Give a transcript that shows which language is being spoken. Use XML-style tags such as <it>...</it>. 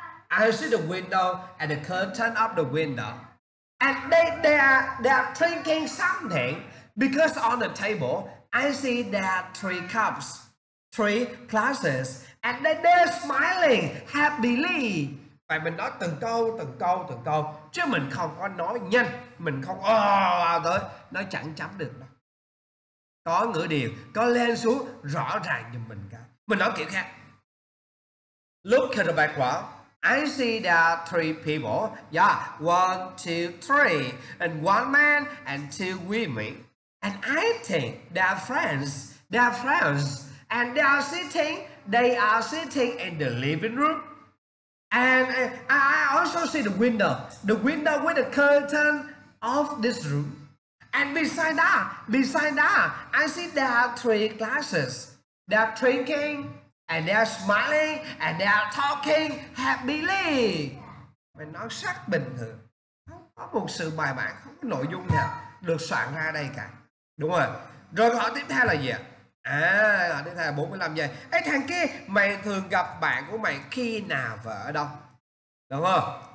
<en>I see the window and the curtain of the window, and they are drinking something, because on the table I see there are 3 cups, 3 glasses, and they're smiling happily.</en> <vi>Mình nói từng câu, chứ mình không có nói nhanh, mình không tới, nó chẳng chấm được đâu. Có ngữ điệu, có lên xuống rõ ràng giùm mình cả. Mình nói kiểu khác.</vi> <en>Look at the background. I see there are 3 people. Yeah, 1, 2, 3, and 1 man and 2 women. And I think they are friends, and they are sitting in the living room. And I also see the window with the curtain of this room. And beside that, I see there are 3 glasses. They are drinking, and they are smiling, and they are talking happily.</en> <vi>Mình nói rất bình thường. Không có một sự bài bản, không có nội dung nào được soạn ra đây cả. Đúng rồi. Rồi câu hỏi tiếp theo là gì ạ? À, đến thời 45 giây. Ê thằng kia, mày thường gặp bạn của mày khi nào và ở đâu? Đúng không?</vi>